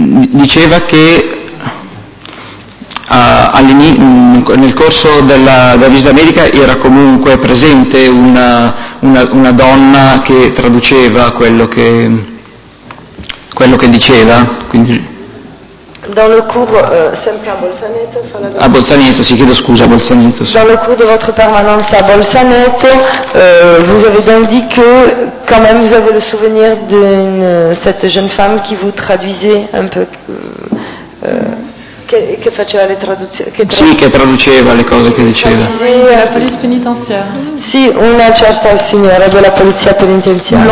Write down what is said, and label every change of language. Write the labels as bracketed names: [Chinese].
[Italian] Diceva che nel corso della visita medica era comunque presente una donna che traduceva quello che diceva, quindi... [French] Dans le cours, [Italian] sempre a [French] Bolzaneto. [Italian] A Bolzaneto, sì, chiedo scusa, a Bolzaneto. Sì. [French] Dans le cours de votre permanence à Bolzaneto, vous avez donc dit que quand même vous avez le souvenir de cette jeune femme qui vous traduisait un peu, [Italian] che faceva le traduzioni. Sì, che traduceva le cose che diceva. [French] La police penitentiaire. [Italian] Sì, una certa signora della polizia penitenziaria.